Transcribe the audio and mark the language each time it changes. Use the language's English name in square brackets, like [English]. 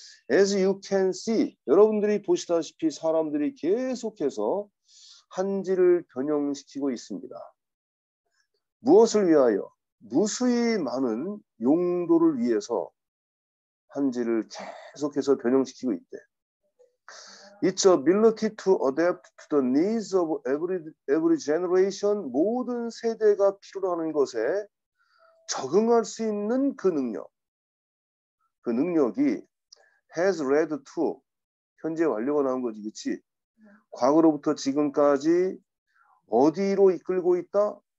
[English] As you can see, [Korean] 여러분들이 보시다시피 사람들이 계속해서 한지를 변형시키고 있습니다. 무엇을 위하여? 무수히 많은 용도를 위해서 한지를 계속해서 변형시키고 있대. [English] It's ability to adapt to the needs of every generation. [Korean] 모든 세대가 필요로 하는 것에 적응할 수 있는 그 능력. 그 능력이 [English] has led to, [Korean] 현재 완료가 나온 거지, 그치? 과거로부터 지금까지 어디로 이끌고 있다?